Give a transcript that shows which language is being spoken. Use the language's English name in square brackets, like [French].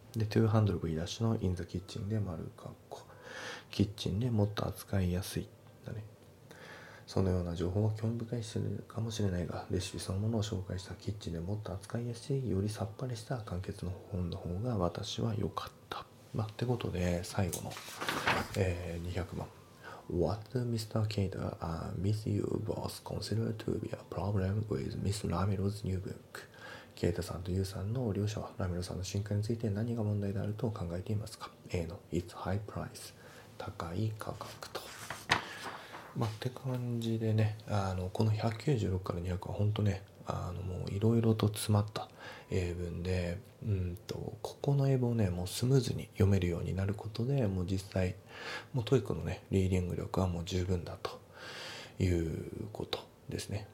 [Japanese] で、トゥーハンドル V ダッシュのインザキッチンで丸括弧、キッチンでもっと扱いやすい。だね。そのような情報は興味深いするかもしれないが、レシピそのものを紹介したキッチンでもっと扱いやすい、よりさっぱりした簡潔の本の方が私は良かった。まあ、ってことで、最後の、200万。 [English] What do Mr. Kater and Miss You both consider to be a problem with Miss Ramiro's new book? [Japanese] ケイタさんとユウさんの両者は、ラミロさんの新刊について何が問題であると考えていますか？ [English] A の It's high price。 [Japanese] 高い価格と。まあ、って感じでね、この196から200は本当ね、もういろいろと詰まった英文で、ここの英文をね、もうスムーズに読めるようになることで、もう実際、もうトイックのね、リーディング力はもう十分だということですね。